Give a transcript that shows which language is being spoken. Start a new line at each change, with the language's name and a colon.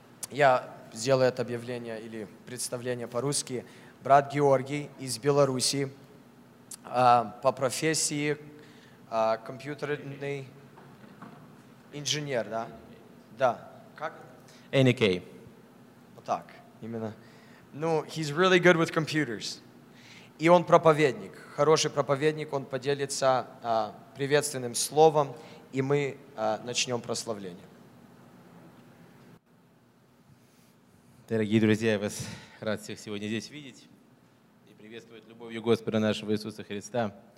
Russian: Я сделаю это объявление или представление по-русски. Брат Георгий из Беларуси, по профессии компьютерный инженер, да? Да. Как? NK. Вот так, именно.
English: Ну, he's really good with computers.
Russian: И он проповедник, хороший проповедник, он поделится приветственным словом, и мы начнем прославление. Дорогие друзья, я вас рад всех сегодня здесь видеть и приветствовать любовью Господа нашего Иисуса Христа.